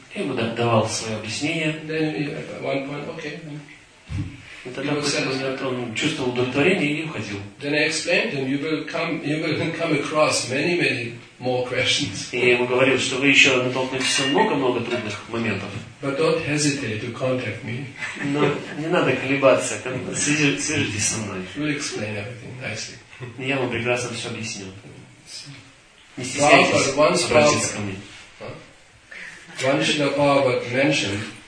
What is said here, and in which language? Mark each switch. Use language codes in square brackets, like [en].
[ru] Я ему давал свое объяснение. [en] Then one point, okay. [ru] И тогда он чувствовал удовлетворение и уходил. [en] Then I explained to him, you will come across many, many more questions. [ru] И я ему говорил, что вы еще натолкнетесь много трудных моментов. [en] But don't hesitate to contact me. [ru] Но не надо колебаться, свяжитесь со мной. [en] We'll explain everything nicely. [ru] Я вам прекрасно все объясню. Не стесняйтесь, обратитесь ко мне. [en] One should have mentioned.